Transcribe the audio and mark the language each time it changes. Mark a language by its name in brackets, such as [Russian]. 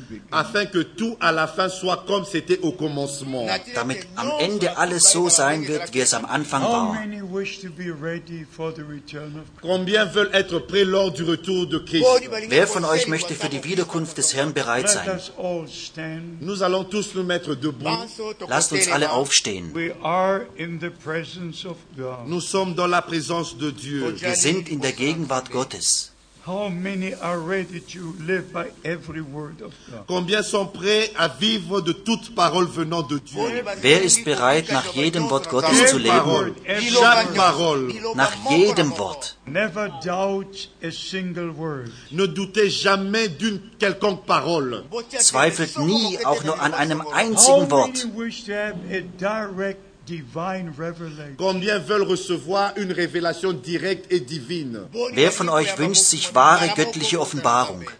[French] afin que tout à la fin soit comme c'était au commencement, [German] damit am Ende alles so sein wird, wie es am Anfang war. [English] How many wish to be ready for the return of Christ? [French] Combien veulent être prêts lors du retour de Christ? [German] Wer von euch möchte für die Wiederkunft des Herrn bereit sein? [English] Let us all stand. [French] Nous allons tous nous mettre debout. [German] Lasst uns alle aufstehen. [English] We are in the presence of God. [French] Nous sommes dans la présence de Dieu. [German] Wir sind in der Gegenwart Gottes. [English] How many are ready to live by every word of God? [French] Combien sont prêts à vivre de toute parole venant de Dieu? [German] Wer ist bereit, nach jedem Wort Gottes zu leben? [French] Chaque parole. [German] Nach jedem Wort. [English] Never doubt a single word. [French] Ne doutez jamais d'une quelconque parole. [German] Zweifelt nie auch nur an einem einzigen Wort. [English] How many wish to have a direct divine revelation. [French] Combien veulent recevoir une révélation directe et divine? [German] Wer von euch wünscht sich wahre göttliche Offenbarung?